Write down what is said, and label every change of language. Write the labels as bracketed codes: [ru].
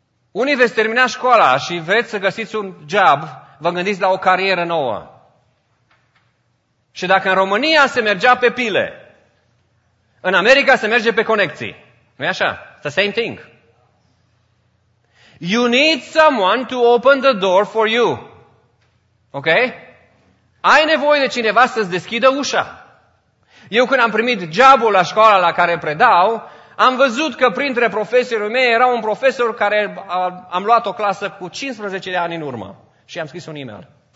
[ro] Unii veți termina școala și vreți să găsiți un job, vă gândiți la o carieră nouă. Și dacă în România se mergea pe pile, în America se merge pe conexii. Nu-i așa? [en] It's the same thing. You need someone to open the door for you. Ok? [ro] Ai nevoie de cineva să-ți deschidă ușa. Eu când am primit jobul la școala la care predau, am văzut că printre profesorii mei era un profesor care am luat o clasă cu 15 de ani în urmă. Și am scris un e-mail.